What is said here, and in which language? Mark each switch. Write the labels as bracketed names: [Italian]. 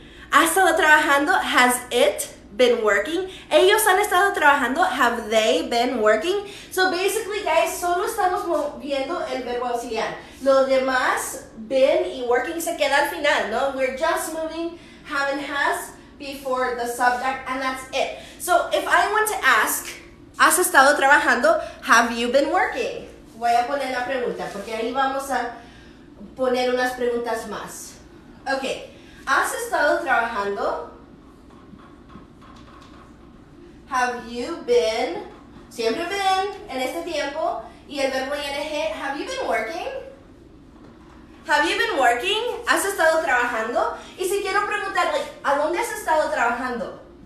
[Spanish] ¿Ha estado trabajando? [English] Has it been working? [Spanish] ¿Ellos han estado trabajando? [English] Have they been working? So basically, guys, [Spanish] solo estamos moviendo el verbo auxiliar. Lo demás, been y working, se queda al final, ¿no? [English] We're just moving have and has before the subject, and that's it. So if I want to ask, [Spanish] ¿has estado trabajando? [English] Have you been working? [Spanish] Voy a poner la pregunta, porque ahí vamos a poner unas preguntas más. Okay. ¿Has estado trabajando? [English] Have you been? [Spanish] Siempre been, en este tiempo. Y el verbo ING, [English] have you been working? Have you been working? [Spanish] ¿Has estado trabajando? Y si quiero preguntar, [English] like, [Spanish] ¿a dónde has estado trabajando?